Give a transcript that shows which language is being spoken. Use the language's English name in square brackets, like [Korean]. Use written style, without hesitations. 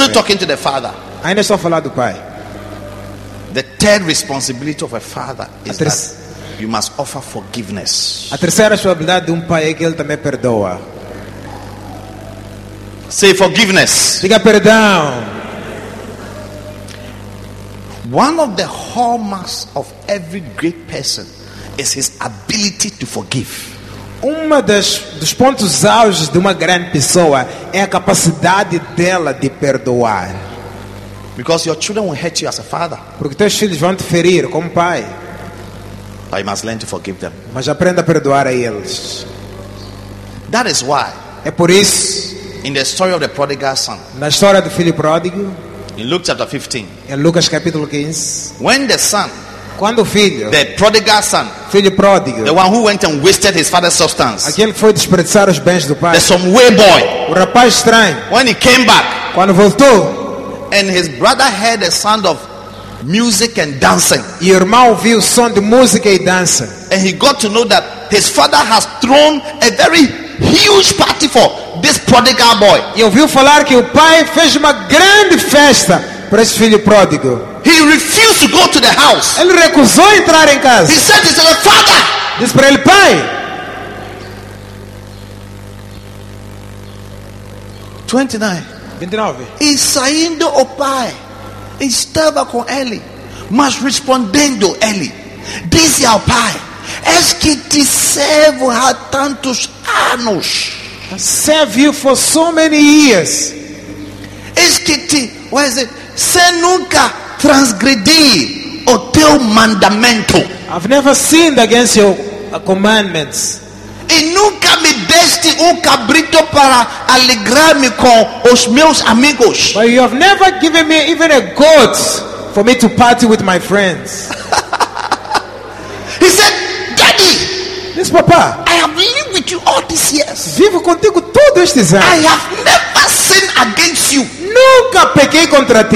[English] Still talking to the father. [Portuguese] Ainda estou a falar do pai. [English] The third responsibility of a father is that you must offer forgiveness. [Portuguese] A terceira responsabilidade de um pai é que ele também perdoa. [English] Say forgiveness. [Portuguese] Diga perdão. [English] One of the hallmarks of every great person is his ability to forgive. [Portuguese] Uma das dos pontos altos de uma grande pessoa é a capacidade dela de perdoar. [English] Because your children will hurt you as a father. [Portuguese] Porque teus filhos vão te ferir como pai. [English] But you must learn to forgive them. [Portuguese] Mas aprenda a perdoar a eles. [English] That is why. [Portuguese] É por isso. [English] In the story of the prodigal son. [Portuguese] Na história do filho pródigo. [English] In Luke chapter 15. [Portuguese] Em Lucas capítulo 15. [English] When the son. [Portuguese] Quando o filho. [English] The prodigal son. [Portuguese] Filho pródigo. [English] The one who went and wasted his father's substance. [Portuguese] Aquele que foi desperdiçar os bens do pai. [English] The some way boy. [Portuguese] O rapaz estranho. [English] When he came back. [Portuguese] Quando voltou. [English] And his brother heard the sound of music and dancing. [Portuguese] E o irmão ouviu o som de música e dança. [English] And he got to know that his father has thrown a very huge party for this prodigal boy. [Portuguese] E ouviu falar que o pai fez uma grande festa para esse filho pródigo. [English] He refused to go to the house. [Portuguese] Ele recusou entrar em casa. [English] He said to his father. [Portuguese] Disse para ele, pai. 29. E saindo o pai, estava com ele, mas respondendo ele, disse ao pai, és que te servo há tantos anos? [English] Serve you for so many years. [Portuguese] És que te, [English] what is it? [Portuguese] Se nunca transgredi o teu mandamento. [English] I've never sinned against your commandments. [Portuguese] E nunca me deste cabrito para alegrar-me com os meus amigos. [English] But you have never given me even a goat for me to party with my friends. He said, Daddy. Yes, Papa. I have lived with you all these years. [Portuguese] Vivo contigo todos estes anos. [English] I have never sinned against you. [Portuguese] Nunca pequei contra ti.